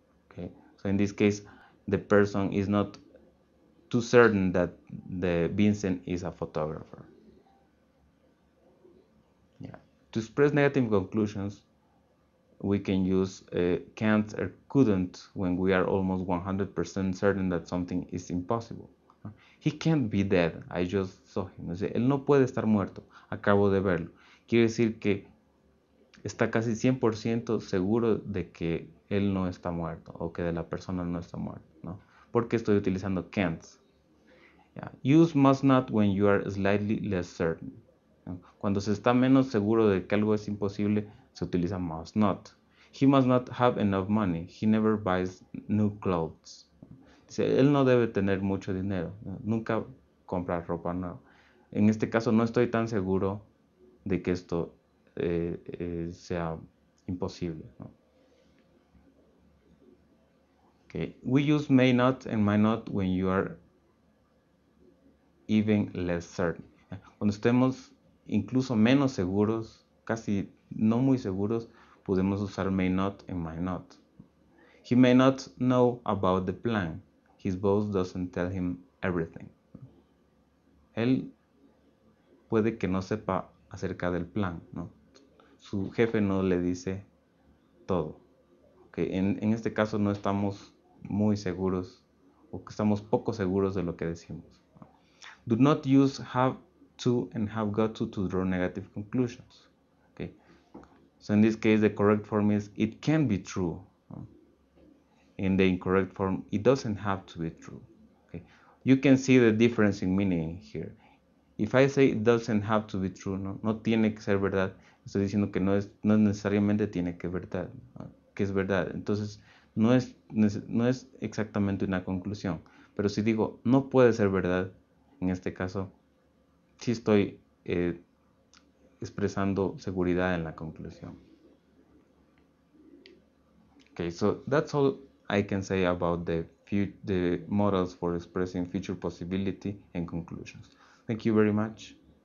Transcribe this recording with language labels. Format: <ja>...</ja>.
<en>Okay, so in this case, the person is not too certain that the Vincent is a photographer. To express negative conclusions, we can use can't or couldn't when we are almost 100% certain that something is impossible. He can't be dead. I just saw him.</en> <es>O sea, él no puede estar muerto. Acabo de verlo. Quiere decir que está casi 100% seguro de que él no está muerto o que de la persona no está muerta, ¿no? Porque estoy utilizando can't. Yeah.</es> <en>Use must not when you are slightly less certain.</en> <es>Cuando se está menos seguro de que algo es imposible, se utiliza must not.</es> <en>He must not have enough money. He never buys new clothes.</en> <es>Dice, él no debe tener mucho dinero. Nunca compra ropa nueva. En este caso, no estoy tan seguro de que esto sea imposible, ¿no? Okay.</es> <en>We use may not and might not when you are even less certain.</en> <es>Cuando estemos incluso menos seguros, casi no muy seguros, podemos usar may not and might not.</es> <en>He may not know about the plan. His boss doesn't tell him everything.</en> <es>Él puede que no sepa acerca del plan, ¿no? Su jefe no le dice todo. Okay, en este caso no estamos muy seguros, o que estamos poco seguros de lo que decimos.</es> <en>Do not use have to and have got to draw negative conclusions. Okay. So in this case, the correct form is it can be true. In the incorrect form, it doesn't have to be true. Okay. You can see the difference in meaning here. If I say it doesn't have to be true, no,</en> <es>no tiene que ser verdad. Estoy diciendo que no necesariamente tiene que ser verdad. Que es verdad. Entonces, no es exactamente una conclusión. Pero si digo no puede ser verdad, en este caso, sí estoy expresando seguridad en la conclusión.</es> <en>Okay, so that's all I can say about the models for expressing future possibility and conclusions. Thank you very much.</en>